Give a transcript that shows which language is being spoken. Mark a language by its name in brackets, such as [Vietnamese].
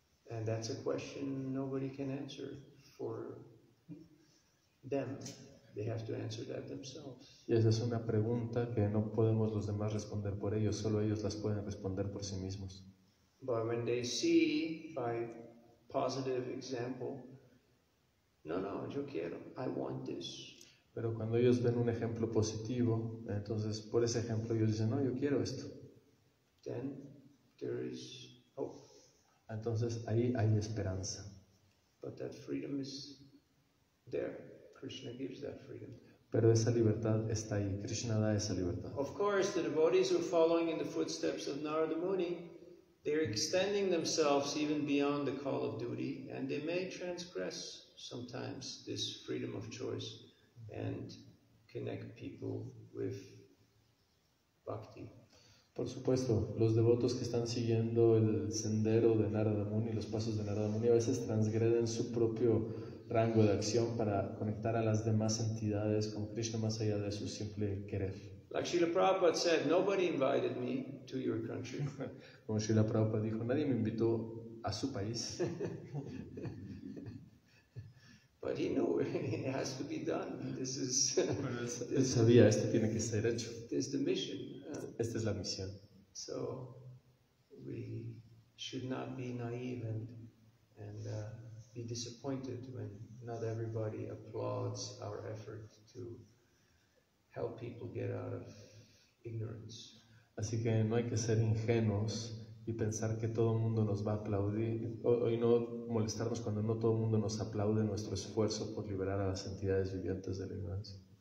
[English] And that's a question nobody can answer for them. They have to answer that themselves. [Spanish] Y esa es una pregunta que no podemos los demás responder por ellos, solo ellos las pueden responder por sí mismos. [English] But when they see by positive example, [Spanish] no, yo quiero, [English] I want this. [Spanish] Pero cuando ellos ven un ejemplo positivo, entonces por ese ejemplo ellos dicen, no, yo quiero esto. [English] Then there is hope. [Spanish] Entonces ahí hay esperanza. [English] But that freedom is there. Krishna gives that freedom. [Spanish] Pero esa libertad está ahí. Krishna da esa libertad. [English] Of course, the devotees who are following in the footsteps of Narada Muni, they're extending themselves even beyond the call of duty, and they may transgress sometimes this freedom of choice and connect people with bhakti. [Spanish] Por supuesto, los devotos que están siguiendo el sendero de Narada Muni, los pasos de Narada Muni, a veces transgreden su propio rango de acción para conectar a las demás entidades con Krishna más allá de su simple querer. [English] Like Srila Prabhupada said, nobody invited me to your country. [Spanish] Como Srila Prabhupada dijo, nadie me invitó a su país. [English] But he knew it has to be done. This is. [Spanish] Él sabía, esto tiene que ser hecho. [English] This is the mission. [Spanish] Esta es la misión. [English] So we should not be naive and be disappointed when not everybody applauds our effort to help people get out of ignorance. [Spanish] Así que no hay que ser ingenuos y pensar que todo el mundo nos va a aplaudir y no molestarnos cuando no todo el mundo nos aplaude nuestro esfuerzo por liberar a las entidades vivientes de la ignorancia.